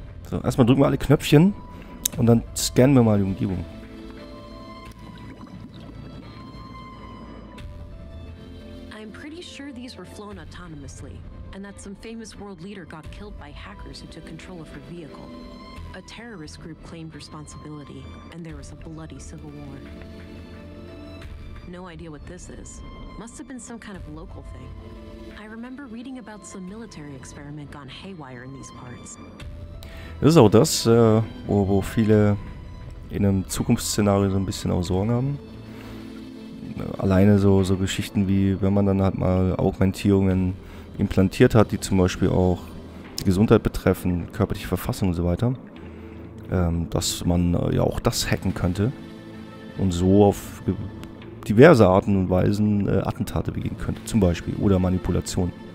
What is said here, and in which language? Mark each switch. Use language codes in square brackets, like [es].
[de] So, erstmal drücken wir alle Knöpfchen und dann scannen wir mal die Umgebung. [en] I'm pretty sure these were flown autonomously and that some famous world leader got killed by hackers who took control of her vehicle. A terrorist group claimed responsibility and there was a bloody civil war. No idea what this is. Must have been some kind of local thing. I remember reading about some military experiment gone haywire in these parts. [de] Das ist auch das, wo viele in einem Zukunftsszenario so ein bisschen auch Sorgen haben. Alleine so Geschichten wie, wenn man dann halt mal Augmentierungen implantiert hat, die zum Beispiel auch die Gesundheit betreffen, körperliche Verfassung und so weiter, dass man ja auch das hacken könnte und so auf diverse Arten und Weisen Attentate begehen könnte, zum Beispiel, oder Manipulation.